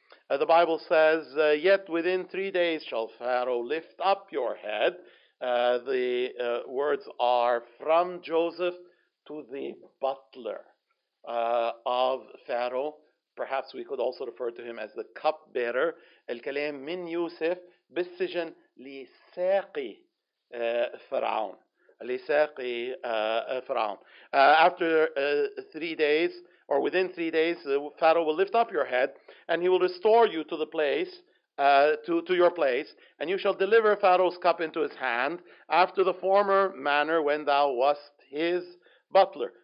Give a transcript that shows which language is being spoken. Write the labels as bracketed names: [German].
[English] The Bible says, yet within 3 days shall Pharaoh lift up your head. The words are from Joseph to the butler of Pharaoh. Perhaps we could also refer to him as the cupbearer. [Arabic] الكلام من يوسف بالسجن لساقي فرعون. لساقي فرعون. [English] After 3 days, or within 3 days, Pharaoh will lift up your head, and he will restore you to the place, to your place, and you shall deliver Pharaoh's cup into his hand after the former manner when thou wast his butler.